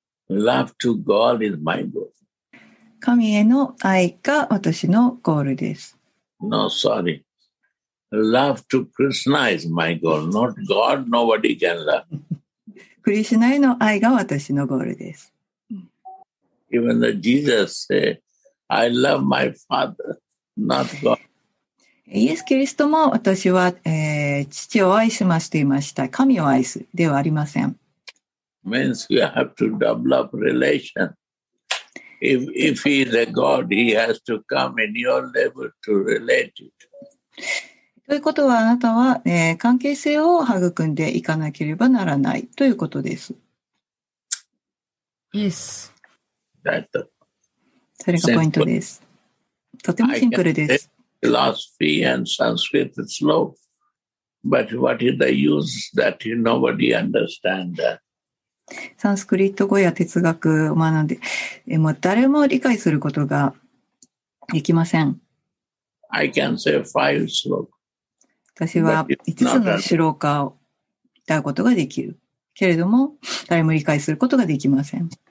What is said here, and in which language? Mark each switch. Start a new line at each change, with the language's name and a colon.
English: Love to God is my goal.
Japanese: 神への愛が私のゴールです。
English: No, sorry. Love to Krishna is my goal. Not God, nobody can love.
Japanese: クリシュナへの愛が私のゴールです。
English: Even the Jesus say, I love my Father, not God.
Japanese: イエス・キリストも私は、父を愛しますと言いました。神を愛すではありません。
English: Means you have to develop relation. If he is a god, he has to come in your level to relate it.
Japanese: ということはあなたは、関係性を育んでいかなければならないということです。
English: Yes. That's it.
Japanese: それがポイントです。とてもシンプルです。
English: Philosophy and Sanskrit is slow. But what is the use that nobody understands that?
Japanese: サンスクリット語や哲学を学んで、もう誰も理解することができません。
English: I can say five shloka.
Japanese: 私は5つのシュローカを歌うことができる。けれども、誰も理解することができません。